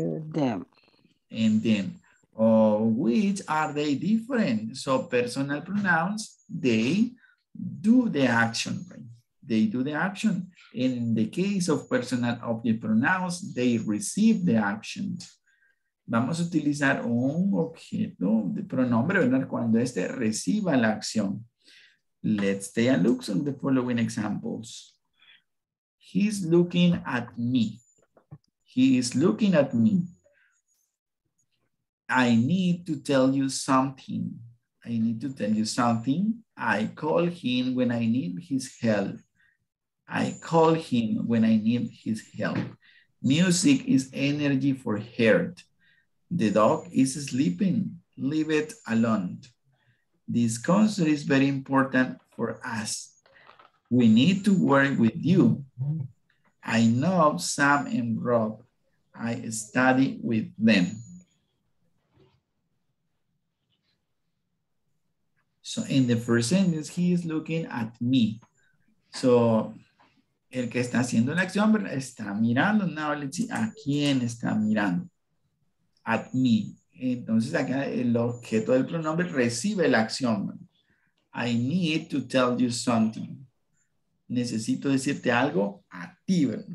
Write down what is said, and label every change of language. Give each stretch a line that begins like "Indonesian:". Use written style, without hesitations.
English: them. And then, Oh, which are they different? So personal pronouns, they do the action, right? They do the action. In the case of personal object pronouns, they receive the action.
Spanish: Vamos a utilizar un objeto de pronombre, ¿verdad? Cuando este reciba la acción.
English: Let's take a look at the following examples. He's looking at me. He is looking at me. I need to tell you something. I need to tell you something. I call him when I need his help. I call him when I need his help. Music is energy for heart. The dog is sleeping. Leave it alone. This concert is very important for us. We need to work with you. I know Sam and Rob. I study with them. So in the first sentence, he is looking at me.
Spanish: So el que está haciendo la acción está mirando.
English: Now let's see,
Spanish: ¿a quién está mirando?
English: At me.
Spanish: Entonces acá el objeto del pronombre recibe la acción.
English: I need to tell you something.
Spanish: Necesito decirte algo a ti.